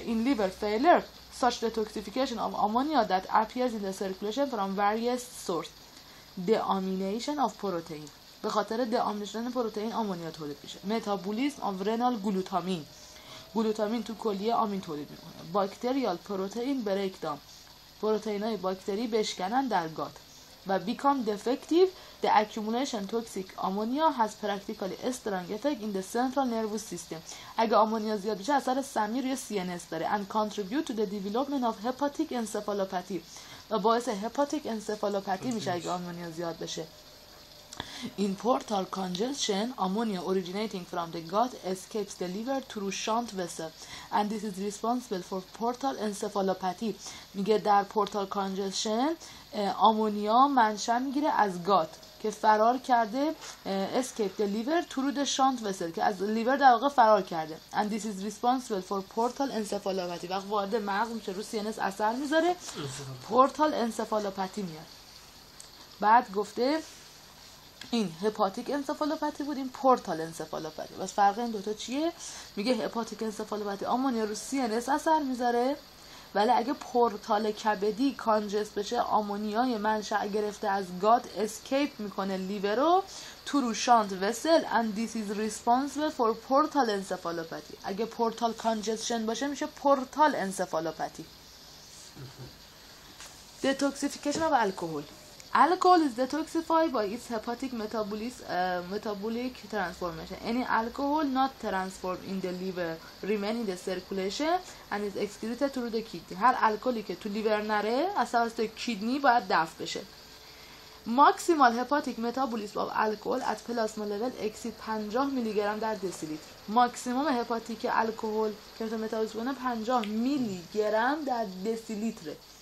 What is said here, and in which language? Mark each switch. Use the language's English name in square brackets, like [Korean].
[English] In liver failure, such detoxification of ammonia that appears in the circulation from various sources. Deamination of protein. [Persian] به خاطر deamination پروتئین آمونیا تولید میشه. [English] Metabolism of renal glutamine. [Persian] گلوتامین تو کلیه آمین تولید میکنه. [English] Bacterial protein breakdown. [Persian] پروتئین های باکتری بشکنن در گات. [English] و become defective. The accumulation toxic ammonia has practically strong effect in the central nervous system. [Persian] اگه آمونیا زیاد بشه اثر سمی روی CNS داره [English] and contribute to the development of hepatic encephalopathy. [Persian] و باعث hepatic encephalopathy میشه اگه آمونیا زیاد بشه. [English] In portal congestion, ammonia originating from the gut escapes the liver through shunt vessel and this is responsible for portal encephalopathy. [Persian] میگه در portal congestion آمونیا منشأ میگیره از گات که فرار کرده [English] escape the liver through the shunt vessel [Persian] که از لیور در واقع فرار کرده [English] and this is responsible for portal encephalopathy. [Persian] وقت وارد مغز میشه رو CNS اثر میذاره portal encephalopathy میاد. بعد گفته این هپاتیک انسفالوپاتی بود این پورتال انسفالوپاتی. واسه فرق این دوتا چیه؟ میگه هپاتیک انسفالوپاتی آمونیا رو سی ان اس اثر میذاره ولی اگه پورتال کبدی کانجست بشه آمونیای منشأ گرفته از گات اسکیپ میکنه لیورو [English] Through shunt vessel and this is responsible for portal encephalopathy. [Persian] اگه پورتال کانجستشن باشه میشه پورتال انسفالوپاتی. [English] Detoxification of alcohol. Alcohol is detoxified by its hepatic metabolic transformation. Any alcohol not transformed in the liver remain in the circulation and is excreted through the kidney. [Persian] هر الکلی که تو لیور نره از توسط کیدنی باید دفع بشه. [English] Maximal hepatic metabolism of alcohol at plasma level exceed 50 [Persian] میلی گرم در دسیلیتر. ماکسیموم هپاتیک الکل که تو متابولیسم کنه 50 میلی گرم در دسیلیتره.